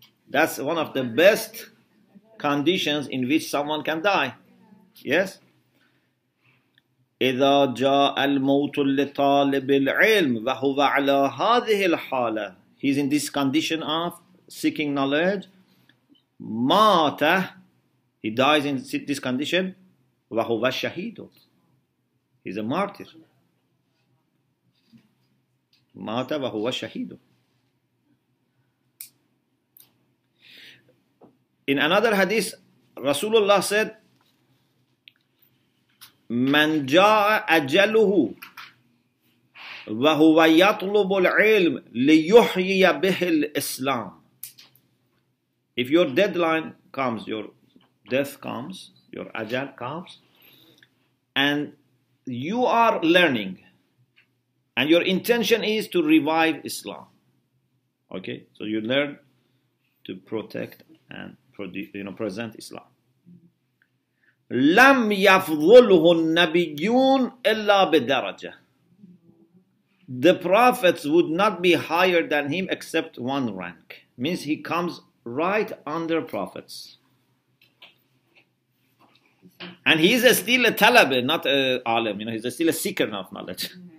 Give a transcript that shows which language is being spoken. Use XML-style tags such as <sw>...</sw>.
<en>That's one of the best conditions in which someone can die. Yes?</en> <ar>إذا جاء الموت لطالب العلم وهو على هذه الحالة.</ar> <en>He's in this condition of seeking knowledge.</en> <ar>مات.</ar> <en>He dies in this condition.</en> <ar>وهو شهيد.</ar> <en>He's a martyr.</en> <ar>مات وهو شهيد.</ar> <en>In another hadith, Rasulullah said,</en> <ar>من جاء أجله وهو يطلب العلم ليحيي به الإسلام.</ar> <en>If your deadline comes, your death comes, your ajal comes, and you are learning, and your intention is to revive Islam. Okay, so you learn to protect and present Islam.</en> <ar>لم يفضله النبيون إلا بدرجة.</ar> <en>The prophets would not be higher than him except one rank. Means he comes right under prophets. And he is still a talibe, not a alim. You know, he's still a seeker of knowledge.</en>